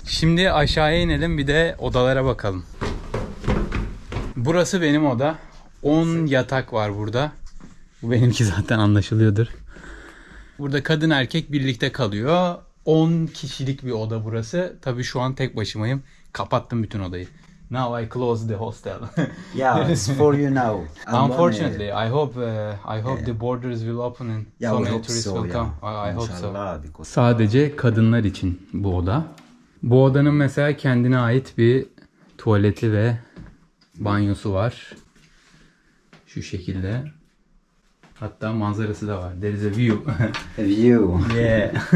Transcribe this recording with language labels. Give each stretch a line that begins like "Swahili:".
Turkish: Şimdi aşağıya inelim bir de odalara bakalım. Burası benim oda. 10 yatak var burada. Bu benimki zaten anlaşılıyordur. Burada kadın erkek birlikte kalıyor. 10 kişilik bir oda burası. Tabii şu an tek başımayım. kapattım bütün odayı.
English: Now I close the hostel. Yeah, it's for you now. Unfortunately, I hope the borders will open and so many tourists will come. I hope so.
Turkish: Sadece kadınlar için bu oda. Bu odanın mesela kendine ait bir tuvaleti ve banyosu var. Şu şekilde. Hatta manzarası da var.
English: There is a view. View. Yeah.